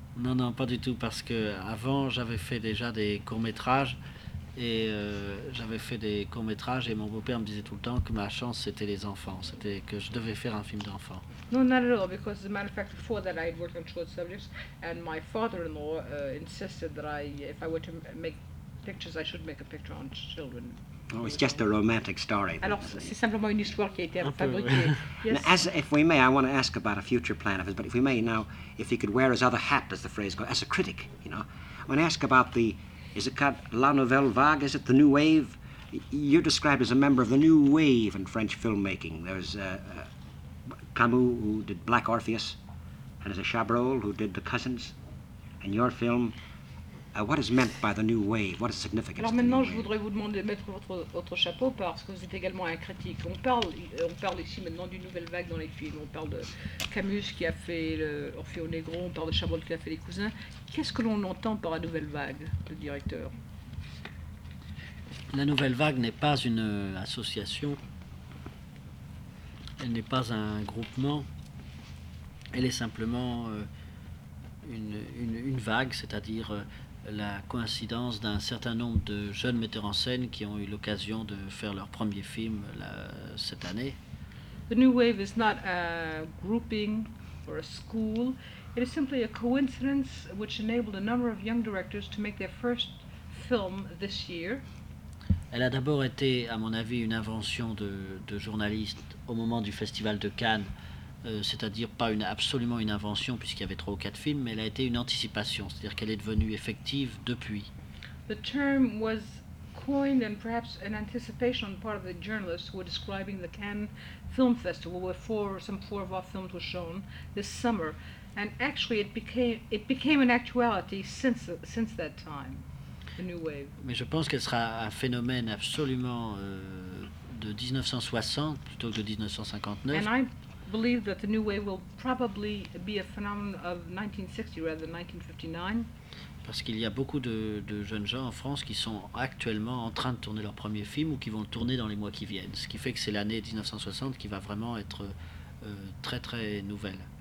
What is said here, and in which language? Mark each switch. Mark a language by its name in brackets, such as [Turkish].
[French] Non, pas du tout, parce que avant j'avais fait déjà des courts-métrages. Et j'avais fait des courts-métrages et mon beau-père me disait tout le temps que ma chance c'était les enfants, c'était que je devais faire un film d'enfant. [English] No, not at all, because as a matter of fact, before that I had worked on short subjects and my father-in-law insisted that if I were to make pictures, I should make a picture on children. Oh, it's just a romantic story. [French] Alors, c'est simplement une histoire qui a été fabriquée. [English] Yes. As if we may, I want to ask about a future plan of his, but if we may now, if he could wear his other hat, as the phrase goes, as a critic, you know, I want to ask about the... Is it called La Nouvelle Vague? Is it the New Wave? You're described as a member of the New Wave in French filmmaking. There's Camus, who did Black Orpheus, and there's a Chabrol, who did The Cousins. And your film, what is meant by the New Wave? What is significant? [French] Alors maintenant, je voudrais vous demander de mettre votre chapeau parce que vous êtes également un critique. On parle ici maintenant du Nouvelle Vague dans les films. On parle de Camus qui a fait Orfeo Negro. On parle de Chabrol qui a fait Les Cousins. Qu'est-ce que l'on entend par la Nouvelle Vague, le directeur? La Nouvelle Vague n'est pas une association. Elle n'est pas un groupement. Elle est simplement une vague, c'est-à-dire la coïncidence d'un certain nombre de jeunes metteurs en scène qui ont eu l'occasion de faire leur premier film cette année. [English] The New Wave is not a grouping. or a school. It is simply a coincidence which enabled a number of young directors to make their first film this year. [French] Elle a d'abord été, à mon avis, une invention de journaliste au moment du Festival de Cannes, c'est-à-dire pas une, absolument une invention puisqu'il y avait trois ou quatre films, mais elle a été une anticipation, c'est-à-dire qu'elle est devenue effective depuis. [English] The term was coined and perhaps an anticipation on part of the journalists who were describing the Cannes Film Festival where four of our films were shown this summer, and actually it became an actuality since that time. [French] Mais je pense qu'elle sera un phénomène absolument de 1960 plutôt que de 1959. [English] And I believe that the new wave will probably be a phenomenon of 1960 rather than 1959. [French] Parce qu'il y a beaucoup de jeunes gens en France qui sont actuellement en train de tourner leur premier film ou qui vont le tourner dans les mois qui viennent. Ce qui fait que c'est l'année 1960 qui va vraiment être très très nouvelle.